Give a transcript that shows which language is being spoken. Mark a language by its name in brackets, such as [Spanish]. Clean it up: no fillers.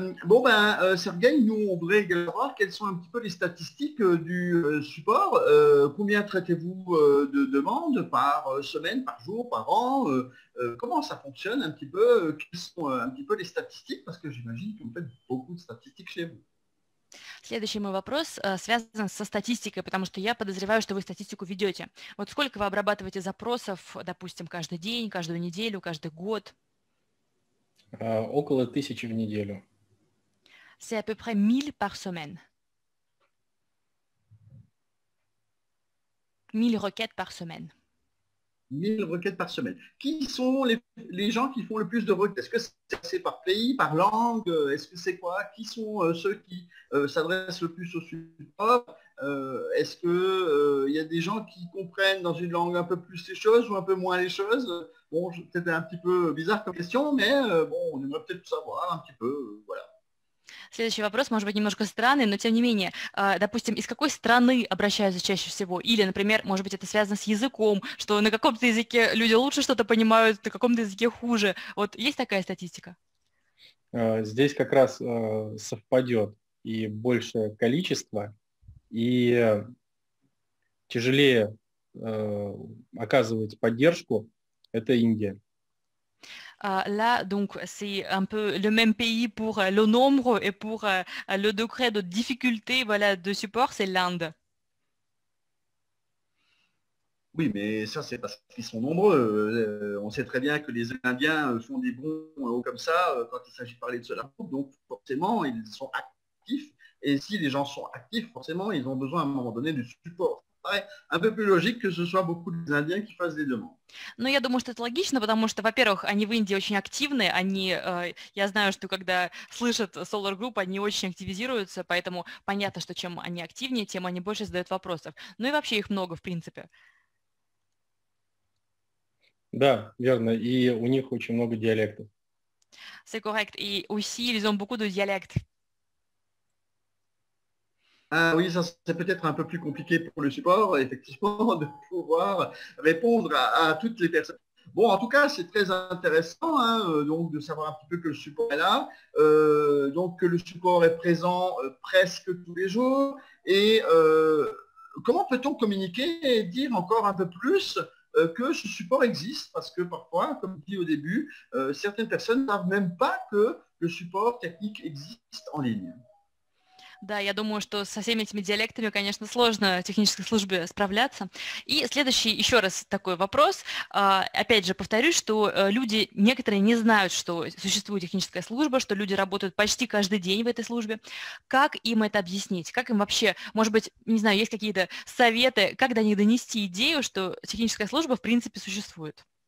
[French] Bon ben, Sergei, nous on voudrait également voir quelles sont un petit peu les statistiques du support. Combien traitez-vous de demandes par semaine, par jour, par an? Comment ça fonctionne un petit peu? Quelles sont un petit peu les statistiques? Parce que j'imagine que vous faites beaucoup de statistiques chez vous. [Russian] Следующий мой вопрос связан со статистикой, потому что я подозреваю, что вы статистику ведете. Вот сколько вы обрабатываете запросов, допустим, каждый день, каждую неделю, каждый год? Около 1000 в неделю. [French] C'est à peu près 1000 par semaine. 1000 requêtes par semaine. 1000 requêtes par semaine. Qui sont les gens qui font le plus de requêtes? Est-ce que c'est par pays, par langue? Est-ce que c'est quoi? Qui sont ceux qui s'adressent le plus au support? Est-ce que il y a des gens qui comprennent dans une langue un peu plus les choses ou un peu moins les choses? Bon, c'était un petit peu bizarre comme question, mais bon, on aimerait peut-être savoir un petit peu, voilà. [Russian] Следующий вопрос, может быть, немножко странный, но тем не менее, допустим, из какой страны обращаются чаще всего? Или, например, может быть, это связано с языком, что на каком-то языке люди лучше что-то понимают, на каком-то языке хуже. Вот есть такая статистика? здесь как раз совпадет и большее количество, и тяжелее оказывать поддержку – это Индия. [French] Là, donc, c'est un peu le même pays pour le nombre et pour le degré de difficulté, voilà, de support, c'est l'Inde. Oui, mais ça, c'est parce qu'ils sont nombreux. On sait très bien que les Indiens font des bons comme ça quand il s'agit de parler de cela. Donc, forcément, ils sont actifs. Et si les gens sont actifs, forcément, ils ont besoin à un moment donné du support. Un peu plus logique que ce soit beaucoup d'Indiens qui fassent des demandes. [Russian] Ну, я думаю, что это логично, потому что, во-первых, они в Индии очень активны, они, я знаю, что когда слышат Solar Group, они очень активизируются, поэтому понятно, что чем они активнее, тем они больше задают вопросов. Ну и вообще их много, в принципе. Да, верно, и у них очень много диалектов. [French] C'est correct, и aussi ils ont beaucoup de dialectes. Ah oui, ça c'est peut-être un peu plus compliqué pour le support, effectivement, de pouvoir répondre à toutes les personnes. Bon, en tout cas, c'est très intéressant hein, donc, de savoir un petit peu que le support est là, donc que le support est présent presque tous les jours. Et comment peut-on communiquer et dire encore un peu plus que ce support existe? Parce que parfois, comme dit au début, certaines personnes ne savent même pas que le support technique existe en ligne. [Russian] Да, я думаю, что со всеми этими диалектами, конечно, сложно технической службе справляться. И следующий еще раз такой вопрос. Опять же, повторюсь, что люди, некоторые не знают, что существует техническая служба, что люди работают почти каждый день в этой службе. Как им это объяснить? Как им вообще, может быть, не знаю, есть какие-то советы, как до них донести идею, что техническая служба в принципе существует?